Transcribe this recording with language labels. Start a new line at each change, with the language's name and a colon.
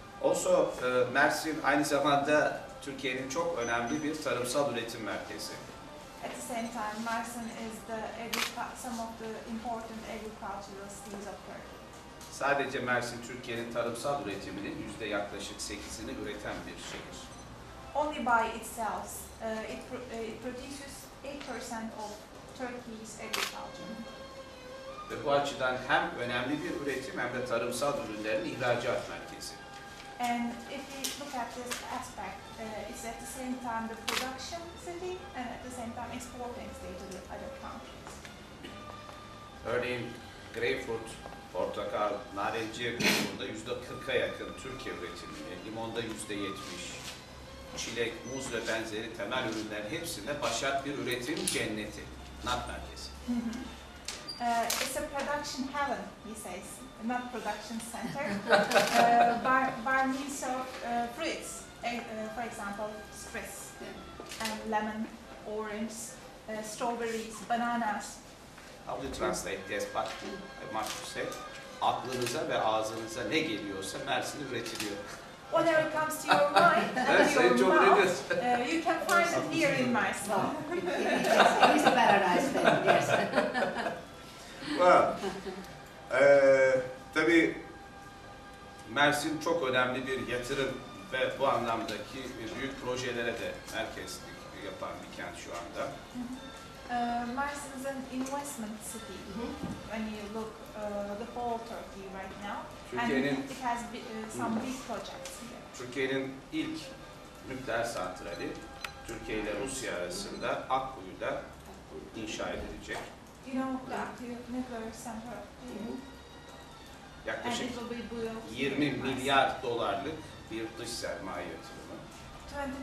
Turkish: Also, Mersin aynı zamanda Türkiye'nin çok önemli bir tarımsal üretim merkezi.
English: At the same time, Mersin is some of the important agricultural cities of Turkey.
Turkish: Sadece Mersin Türkiye'nin tarımsal üretiminin yaklaşık 8'ini üreten bir şehir.
English: Only by itself, it produces 8% of Turkey's agriculture.
Turkish: Ve bu açıdan hem önemli bir üretim hem de tarımsal ürünlerin ihracat merkezi.
English: And if we look at this aspect, it's at the same time the production city and at the same time exporting city to the other countries.
Turkish: Örneğin greyfurt, portakal, narenciye grubunda %40'a yakın Türkiye üretimini, limonda %70, çilek, muz ve benzeri temel ürünler hepsinde başat bir üretim cenneti, nat merkezi.
English: It's a production heaven, he says, not production center, by means of fruits, for example, citrus, and lemon, orange, strawberries, bananas. How do you translate this back to Marcus'e?
Turkish: Aklınıza ve ağzınıza ne geliyorsa Mersin'de üretiliyor.
English: Whatever comes to your mind and to your mouth, you can find it here in Mersin. It's a paradise then, yes.
Turkish: Well, tabii Mersin çok önemli bir yatırım ve bu anlamdaki büyük projelere de merkezlik yapan bir kent şu anda.
English: Mersin is an investment city. Mm-hmm. When you look the whole Turkey right now,
Turkish: Türkiye'nin,
English: and it has some big projects here.
Turkish: Türkiye'nin ilk nükleer santrali Türkiye ile Rusya arasında Akkuyu'da inşa edilecek.
English: You know the nuclear center. Mm-hmm.
Turkish: Yaklaşık 20 milyar dolarlık bir dış sermaye yatırımı.